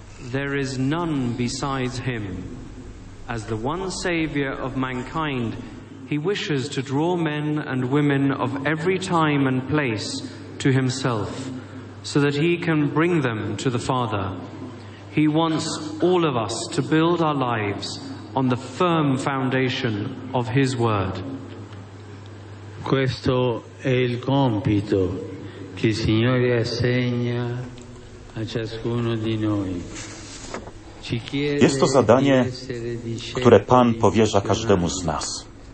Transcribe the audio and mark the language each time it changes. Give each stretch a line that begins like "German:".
English: There is none besides Him. As the one Savior of mankind, He wishes to draw men and women of every time and place to Himself, so that He can bring them to the Father. He wants all of us to build our lives on the firm foundation of His Word.
Italian: Questo è il compito che il Signore assegna a ciascuno di noi.
Polish: Jest to zadanie, które Pan powierza każdemu z nas.